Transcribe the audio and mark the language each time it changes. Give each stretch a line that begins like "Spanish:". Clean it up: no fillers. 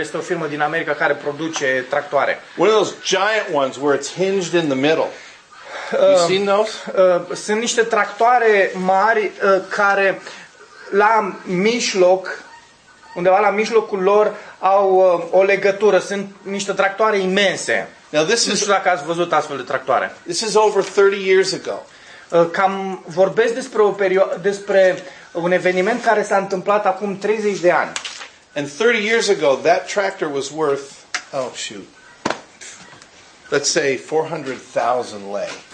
Romanian: Este o firmă din America care produce tractoare.
English: One of those giant ones where it's hinged in the middle. You seen those?
Romanian: Sunt niște tractoare mari care la mijloc, undeva la mijlocul lor, au o legătură. Sunt niște tractoare imense.
English: Now this is,
Romanian: nu știu dacă ați văzut astfel de tractoare.
English: This is over 30 years ago.
Romanian: Cam vorbesc despre despre un eveniment care s-a întâmplat acum 30 de ani.
English: And 30 years ago, that tractor was worth, oh shoot, let's say 400,000 lei.